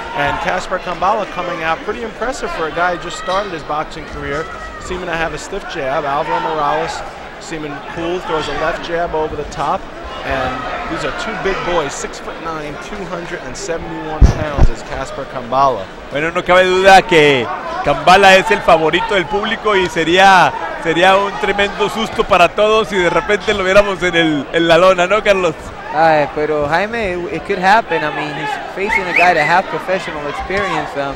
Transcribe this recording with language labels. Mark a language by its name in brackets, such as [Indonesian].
[English] And Kaspar Kambala coming out, pretty impressive for a guy who just started his boxing career, seeming to have a stiff jab. Alvaro Morales seeming cool, throws a left jab over the top. And these are two big boys, 6'9", 271 pounds, as Kaspar Kambala. [Spanish] Bueno, no cabe duda que Kambala es el favorito del público, y sería sería un tremendo susto para todos si de repente lo viéramos en el en la lona, ¿no, Carlos? Ay, pero [English] Jaime, it could happen. I mean, he's facing a guy that has professional experience.